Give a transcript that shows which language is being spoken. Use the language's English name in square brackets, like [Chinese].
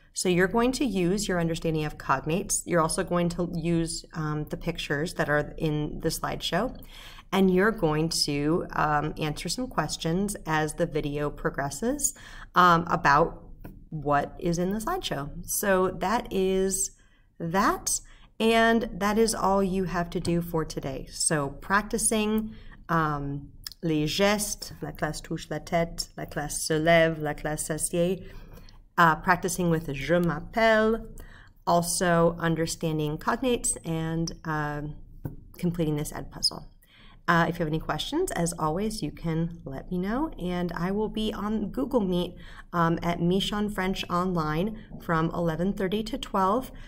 [English] So you're going to use your understanding of cognates. You're also going to use the pictures that are in the slideshow. And you're going to answer some questions as the video progresses about what is in the slideshow. So that is that. And that is all you have to do for today. So practicing [French] les gestes, la classe touche la tête, la classe se lève, la classe s'assied. [English] Practicing with [French] je m'appelle, [English] also understanding cognates, and completing this ed puzzle. If you have any questions, as always, you can let me know, and I will be on Google Meet at Michon French Online from 11:30 to 12.